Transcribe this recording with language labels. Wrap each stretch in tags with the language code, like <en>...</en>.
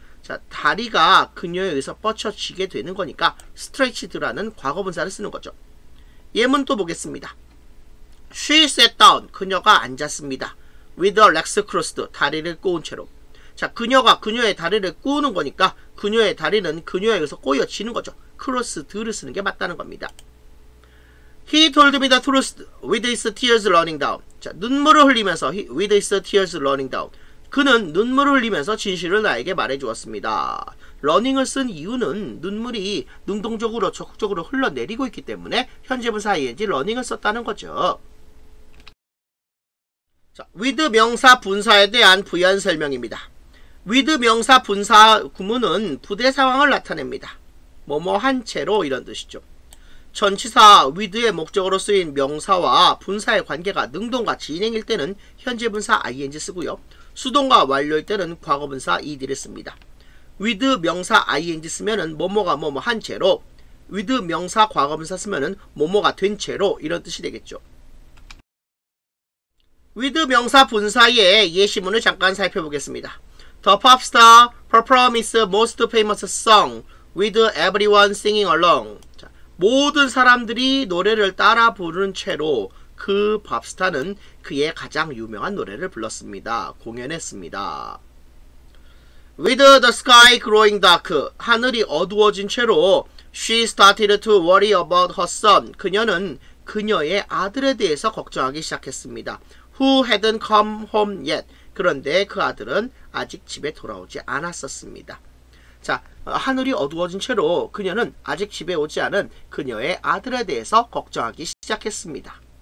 <ko>자, 다리가 그녀에 의해서 뻗쳐지게 되는 거니까 stretched라는 과거 분사를 쓰는 거죠. 예문 또 보겠습니다.</ko> <en>She sat down.</en> <ko>그녀가 앉았습니다.</ko> <en>With her legs crossed.</en> <ko>다리를 꼬은 채로. 자, 그녀가 그녀의 다리를 꼬는 거니까 그녀의 다리는 그녀에 의해서 꼬여지는 거죠. crossed를 쓰는 게 맞다는 겁니다.</ko> <en>He told me the truth with his tears running down.</en> <ko>자, 눈물을 흘리면서</ko> <en>with his tears running down.</en> <ko>그는 눈물을 흘리면서 진실을 나에게 말해주었습니다. running을 쓴 이유는 눈물이 능동적으로 적극적으로 흘러내리고 있기 때문에 현재분사 ing running을 썼다는 거죠. 자, with 명사 분사에 대한 부연 설명입니다. with 명사 분사 구문은 부대 상황을 나타냅니다. 뭐뭐 한 채로 이런 뜻이죠. 전치사 with의 목적으로 쓰인 명사와 분사의 관계가 능동과 진행일 때는 현재분사 ing 쓰고요. 수동과 완료일 때는 과거분사 ed를 씁니다. with 명사 ing 쓰면은 뭐뭐가 뭐뭐 한 채로, with 명사 과거분사 쓰면은 뭐뭐가 된 채로 이런 뜻이 되겠죠. with 명사 분사의 예시문을 잠깐 살펴보겠습니다.</ko> <en>The pop star perform his most famous song with everyone singing along.</en> <ko>자, 모든 사람들이 노래를 따라 부르는 채로 그 팝스타는 그의 가장 유명한 노래를 불렀습니다. 공연했습니다.</ko> <en>With the sky growing dark,</en> <ko>하늘이 어두워진 채로</ko> <en>she started to worry about her son.</en> <ko>그녀는 그녀의 아들에 대해서 걱정하기 시작했습니다.</ko> <en>Who hadn't come home yet?</en> <ko>그런데 그 아들은 아직 집에 돌아오지 않았었습니다. 자, 하늘이 어두워진 채로 그녀는 아직 집에 오지 않은 그녀의 아들에 대해서 걱정하기 시작했습니다.</ko>